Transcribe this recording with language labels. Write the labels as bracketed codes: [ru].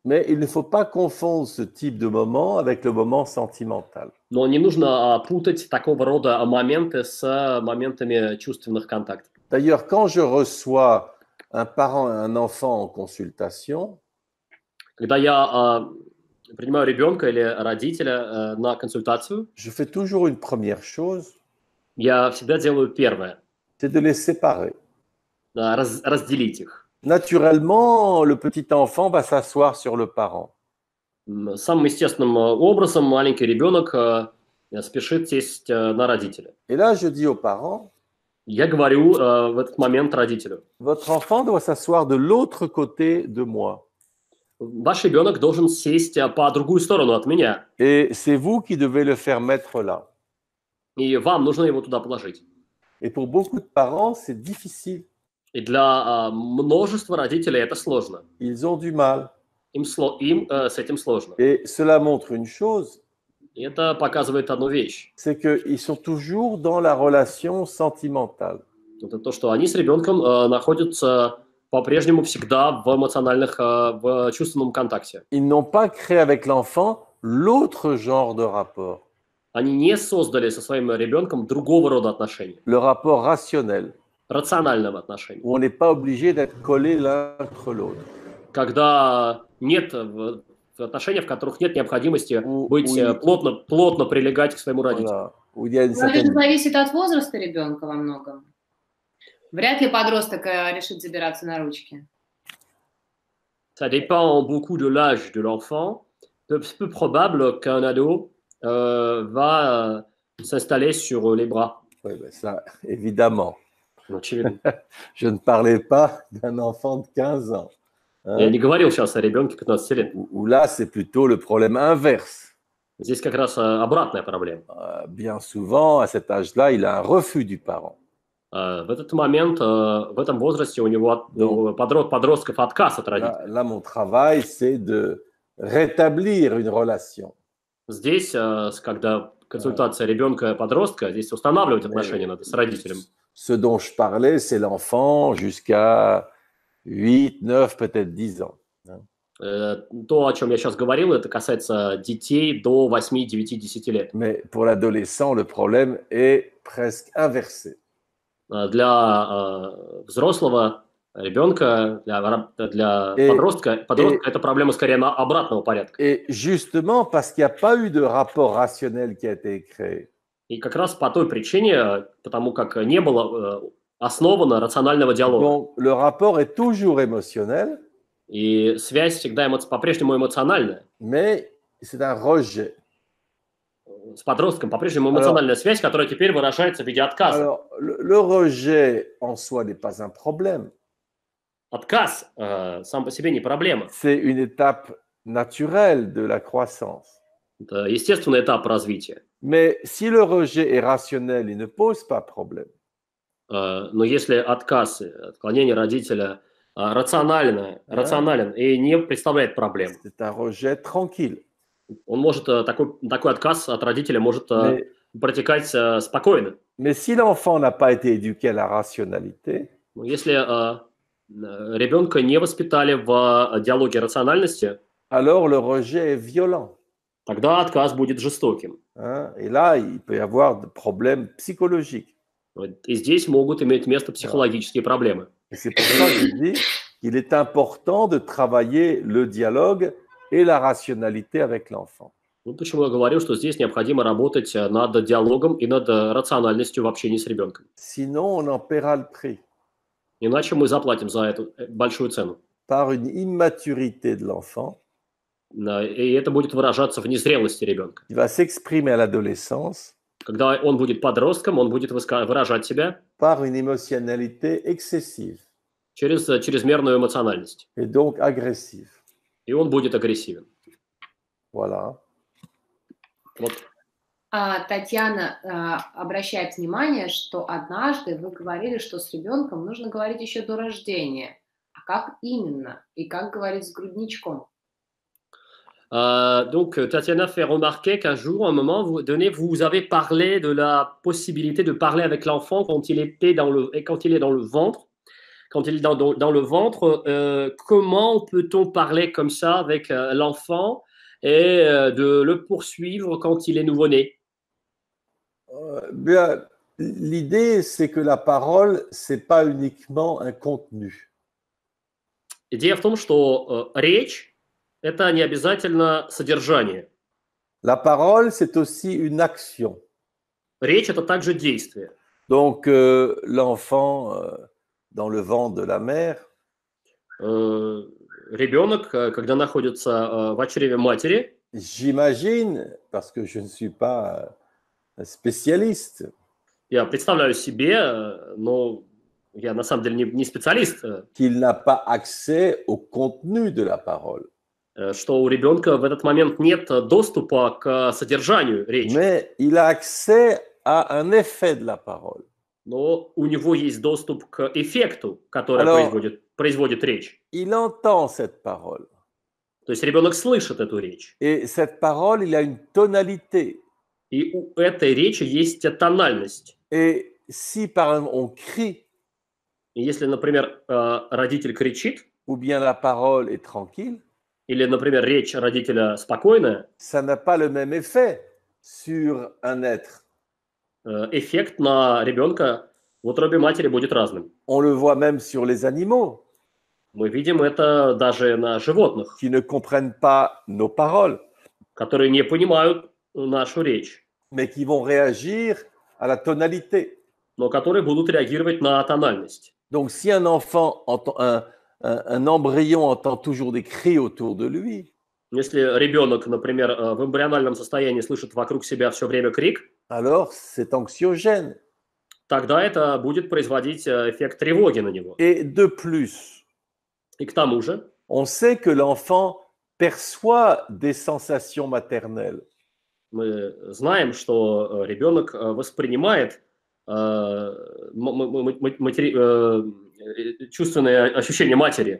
[fr] Mais il ne faut pas confondre ce type de moment avec le moment sentimental. [ru] Но не нужно путать такого рода моменты с моментами чувственных контактов. [fr] D'ailleurs, quand je reçois un parent et un enfant en consultation, [ru] когда я принимаю ребенка или родителя на консультацию, [fr] je fais toujours une première chose. [ru] Я всегда делаю первое. [fr] C'est de les séparer. [ru] Разделить их. [fr] Naturellement, le petit enfant va s'asseoir sur le parent. [ru] Самым естественным образом маленький ребенок спешит сесть на родителя. [fr] Et là, je dis aux parents, [ru] я говорю в этот момент родителю. [fr] Votre enfant doit s'asseoir de l'autre côté de moi. [ru] Ваш ребенок должен сесть по другую сторону от меня. [fr] Et c'est vous qui devez le faire mettre là. [ru] И вам нужно его туда положить. [fr] Et pour beaucoup de parents, c'est difficile. [ru] И для множества родителей это сложно. [fr] Ils ont du mal. [ru] Им с этим сложно. [fr] Et cela montre une chose. [ru] И это показывает одну вещь. [fr] C'est qu'ils sont toujours dans la relation sentimentale. [ru] Это то, что они с ребенком находятся по-прежнему всегда в эмоциональных, в чувственном контакте. [fr] Ils n'ont pas créé avec l'enfant l'autre genre de rapport. [ru] Они не создали со своим ребенком другого рода отношений. [fr] Le rapport rationnel. [ru] Рационального отношения. [fr] On n'est pas obligé d'être collé l'un contre l'autre. [ru] Когда нет отношений, в которых нет необходимости плотно прилегать к своему родителю. [fr] Voilà. [ru] Но это же зависит от возраста ребенка во многом. Вряд ли подросток решит забираться на ручки. [fr] Ça dépend beaucoup de l'âge de l'enfant. C'est peu probable qu'un ado va s'installer sur les bras. Oui, ben ça, évidemment. [ru] Очевидно. [fr] Je ne parlais pas d'un enfant de 15 ans. Hein? [ru] Я не говорил сейчас о ребенке 15 лет. [fr] Ou là, c'est plutôt le problème inverse. [ru] Здесь как раз обратная проблема. [fr] Bien souvent, à cet âge-là, il a un refus du parent. [ru] В этот момент, в этом возрасте у него подростков отказ от родителей. [fr] Là, mon travail, c'est de rétablir une relation. [ru] Здесь, когда консультация ребенка-подростка, здесь устанавливать отношения надо с родителем. [fr] Ce dont je parlais, c'est l'enfant jusqu'à 8, 9, peut-être 10 ans. [ru] То, о чем я сейчас говорил, это касается детей до 8, 9, 10 лет. [fr] Mais pour l'adolescent, le problème est presque inversé. [ru] Для взрослого ребенка, для подростка, эта проблема скорее на обратного порядка. [fr] Et justement, parce qu'il n'y a pas eu de rapport rationnel qui a été créé. [ru] И как раз по той причине, потому как не было основано рационального диалога. [fr] Donc, le rapport est toujours émotionnel. [ru] И связь всегда по-прежнему эмоциональная. [fr] Mais c'est un rejet. [ru] С подростком по-прежнему эмоциональная [fr] alors, [ru] связь, которая теперь выражается в виде отказа. [fr] Alors, le rejet en soi n'est pas un problème. [ru] Отказ сам по себе не проблема. [fr] C'est une étape naturelle de la croissance. [ru] Это естественный этап развития. [fr] Mais si le rejet est rationnel, il ne pose pas problème. [ru] Но если отказ, отклонение родителя рационален и не представляет проблем. [fr] C'est un rejet tranquille. [ru] Он может такой отказ от родителя может протекать спокойно. [fr] Mais si l'enfant n'a pas été éduqué à la rationalité, [ru] если ребенка не воспитали в диалоге рациональности, [fr] alors le rejet est violent. [ru] Тогда отказ будет жестоким. [fr] Et là, il peut y avoir des problèmes psychologiques. [ru] И здесь могут иметь место психологические проблемы. [fr] Et c'est pour ça que je dis qu'il est important de travailler le dialogue et la rationalité avec l'enfant. [ru] Ну, почему я говорю, что здесь необходимо работать над диалогом и над рациональностью в общении с ребенком. [fr] Sinon, on en paiera le prix. [ru] Иначе мы заплатим за эту большую цену. [fr] Par une immaturité de l'enfant. [ru] И это будет выражаться в незрелости ребенка. [fr] Il va s'exprimer à l'adolescence. [ru] Когда он будет подростком, он будет выражать себя. [fr] Par une émotionnalité excessive. [ru] Через чрезмерную эмоциональность. [fr] Et donc agressive. [ru] И он будет агрессивен. [fr] Voilà. [ru] Вот. Татьяна обращает внимание, что однажды вы говорили, что с ребенком нужно говорить еще до рождения. А как именно? И как говорить с грудничком? [fr] Donc Tatiana fait remarquer qu'un jour, à un moment donné, vous avez parlé de la possibilité de parler avec l'enfant quand il est dans le ventre. Quand il est dans le ventre, comment peut-on parler comme ça avec l'enfant et de le poursuivre quand il est nouveau-né? Bien, l'idée, c'est que la parole, ce n'est pas uniquement un contenu. L'idée est que [ru] речь, это не обязательно содержание. [fr] La parole, c'est aussi une action. [ru] Речь – это также действие. [fr] Donc, l'enfant, dans le ventre de la mère, [ru] ребенок, когда находится в чреве матери, [fr] j'imagine, parce que je ne suis pas spécialiste, [ru] я представляю себе, но я на самом деле не специалист, [fr] qu'il n'a pas accès au contenu de la parole. [ru] что у ребенка в этот момент нет доступа к содержанию речи. [fr] Mais il a accès à un effet de la parole. [ru] Но у него есть доступ к эффекту, который [fr] Alors, [ru] производит речь. [fr] Il entend cette parole. [ru] То есть ребенок слышит эту речь. [fr] Et cette parole, il a une tonalité. [ru] И у этой речи есть тональность. [fr] Et si, par exemple, on crie, [ru] и если, например, родитель кричит, [fr] ou bien la parole est tranquille, [ru] или, например, речь родителя спокойная, [fr] ça n'a pas le même effet sur un être. [ru] Эффект на ребенка в утробе матери будет разным. [fr] On le voit même sur les animaux, [ru] мы видим это даже на животных, [fr] qui ne comprennent pas nos paroles, [ru] которые не понимают нашу речь, [fr] mais qui vont réagir à la tonalité. [ru] Но которые будут реагировать на тональность. [fr] Donc, si un enfant entend un embryon entend toujours des cris autour de lui, [ru] если ребенок, например, в эмбриональном состоянии слышит вокруг себя все время крик, [fr] alors c'est anxiogène. [ru] Тогда это будет производить эффект тревоги на него. [fr] Et de plus, [ru] и к тому же, [fr] on sait que l'enfant perçoit des sensations maternelles. [ru] Мы знаем, что ребенок воспринимает чувственные ощущения матери.